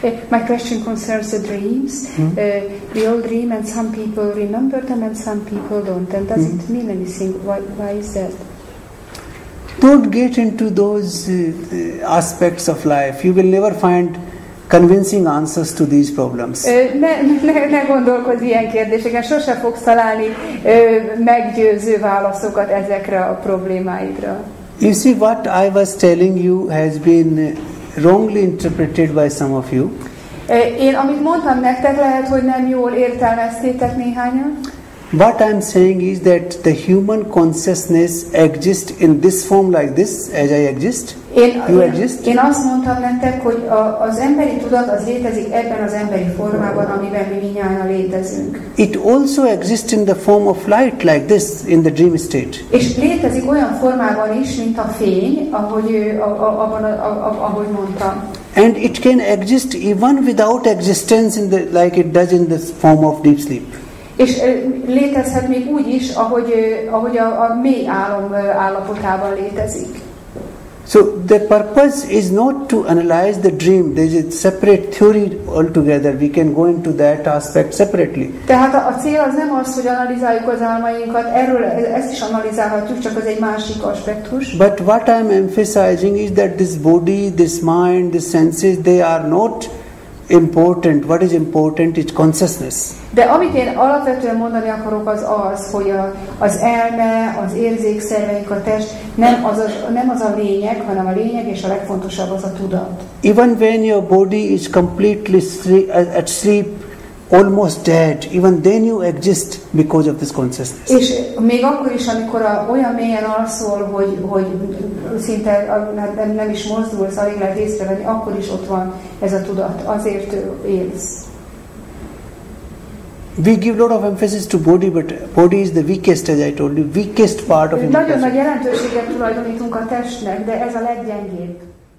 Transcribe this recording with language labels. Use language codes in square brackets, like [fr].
[en] My question concerns the dreams, we all dream and some people remember them and some people don't. And does it mean anything? Why is that? Don't get into those aspects of life. You will never find convincing answers to these problems. [hu] Ne gondolkozz ilyen kérdéseken, sose fogsz találni meggyőző válaszokat ezekre a problémáidra. [en] You see, what I was telling you has been wrongly interpreted by some of you. [hu] Én amit mondtam nektek, lehet, hogy nem jól értelmeztétek néhányan. [en] What I'm saying is that the human consciousness exists in this form like this, as I exist, you exist. [hu] Én azt mondtam nektek, hogy az emberi tudat az létezik ebben az emberi formában, amiben mi mindnyájan létezünk. [en] It also exists in the form of light like this, in the dream state. [hu] És létezik olyan formában is, mint a fény, ahogy mondtam. [en] And it can exist even without existence in the, like it does in this form of deep sleep. [hu] És létezhet még úgy is, ahogy a mély álom állapotában létezik. [en] So the purpose is not to analyze the dream. There is a separate theory altogether. We can go into that aspect separately. [hu] Tehát a cél az nem az, hogy analizáljuk az álmainkat. Erről ezt is analizálhatjuk, csak az egy másik aspektus. [en] But what I am emphasizing is that this body, this mind, the senses, they are not important. What is important is consciousness. [hu] De amit én alapvetően mondani akarok, az az, hogy az elme, az érzékszerveink, a test nem az a lényeg, hanem a lényeg és a legfontosabb az a tudat. [en] Even when your body is completely at sleep, almost dead, even then you exist because of this consciousness. [hu] És még akkor is, amikor olyan mélyen alszol, hogy szinte nem is mozdulsz, alig lehet észrevenni, akkor is ott van ez a tudat, azért élsz. [en] We give a lot of emphasis to body, but body is the weakest, as I told you, weakest part of him. [hu] Nagyon nagy jelentőséget tulajdonítunk a testnek, de ez a leggyengébb.